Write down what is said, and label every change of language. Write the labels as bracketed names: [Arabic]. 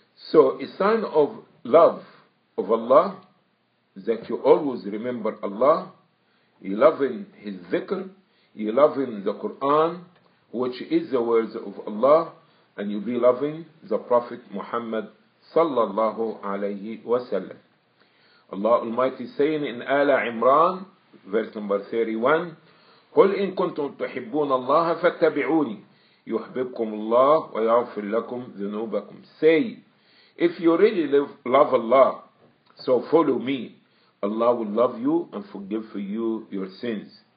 [English] So a sign of love of Allah, that you always remember Allah, you loving his dhikr, you loving the Quran, which is the words of Allah, and you be loving the Prophet Muhammad sallallahu alayhi wa sallam. Allah Almighty saying in Ala Imran, verse number 31, [Arabic] قل إن كنتم تحبون الله فاتبعوني يحببكم الله ويغفر لكم ذنوبكم. [English] Say, if you really love Allah, so follow me. Allah will love you and forgive for you your sins.